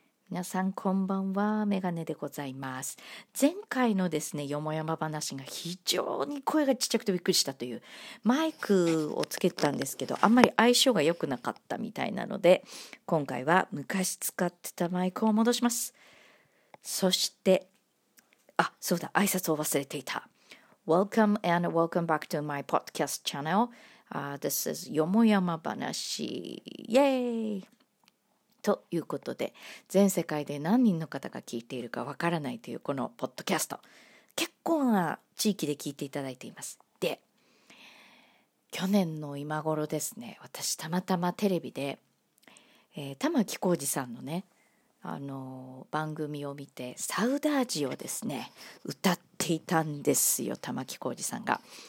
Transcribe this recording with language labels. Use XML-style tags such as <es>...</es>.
<ja>皆さんこんばんは、メガネでございます。前回のですね、よもやま話が非常に声がちっちゃくてびっくりしたという、マイクをつけたんですけどあんまり相性が良くなかったみたいなので、今回は昔使ってたマイクを戻します。そして、あ、そうだ、挨拶を忘れていた。</ja> <en>Welcome and welcome back to my podcast channel、This is よもやま話、</en> <ja>イエーイ。ということで、全世界で何人の方が聞いているかわからないというこのポッドキャスト、結構な地域で聞いていただいています。で、去年の今頃ですね、私たまたまテレビで、玉置浩二さんのね、番組を見て、サウダージをですね歌っていたんですよ、玉置浩二さんが。</ja>